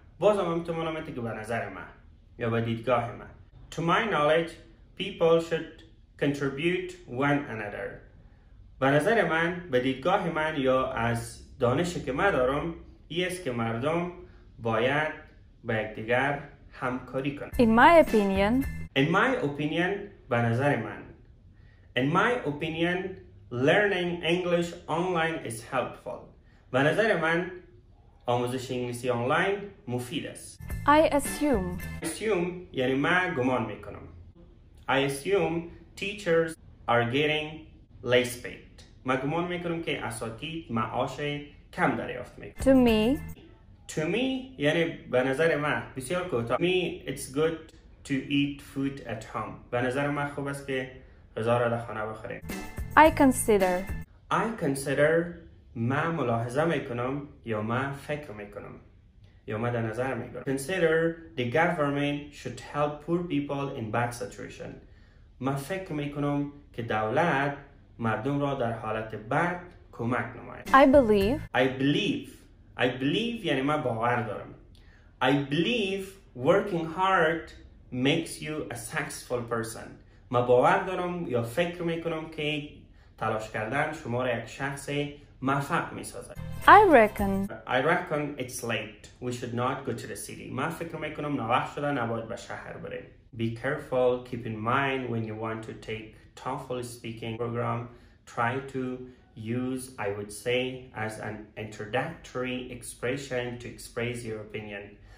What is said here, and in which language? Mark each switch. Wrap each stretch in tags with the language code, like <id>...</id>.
<fa>بازم هم تو معلوم میشه که به نظر من یا به دیدگاه من.</fa> <en>To my knowledge, people should contribute one another.</en> <fa>به نظر من، به دیدگاه من یا از دانشی که من دارم ای است که مردم باید به یکدیگر همکاری کنند.</fa> <en>In my opinion,</en> <fa>به نظر من.</fa> <en>In my opinion, learning English online is helpful.</en> <fa>به نظر من، آموزش انگلیسی آنلاین مفید است.</fa> <en>I assume</en> <fa>یعنی من گمان میکنم.</fa> <en>I assume teachers are getting less paid.</en> <fa>من گمان میکنم که اساتید معاش کم دریافت میکنم.</fa> <en>To me,</en> <fa>یعنی به نظر من بسیار کوتاه.</fa> <en>Me, it's good to eat food at home.</en> <fa>به نظر من خوب است که غذا را در خانه بخوریم.</fa> <en>I consider,</en> <fa>من ملاحظه میکنم یا من فکر میکنم یا من در نظر میگیرم.</fa> <en>Consider the government should help poor people in bad situation.</en> <fa>من فکر میکنم که دولت مردم را در حالت بد کمک نماید.</fa> <en>I believe</en> <fa>یعنی من باور دارم.</fa> <en>I believe working hard makes you a successful person.</en> <fa>من باور دارم یا فکر میکنم که تلاش کردن شما را یک شخص موفق میسازد.</fa> <en>I reckon it's late. We should not go to the city.</en> <fa>من فکر میکنم نوبت شده نباید به شهر بریم.</fa> <en>Be careful, keep in mind when you want to take TOEFL speaking program, try to use I would say as an introductory expression to express your opinion.</en>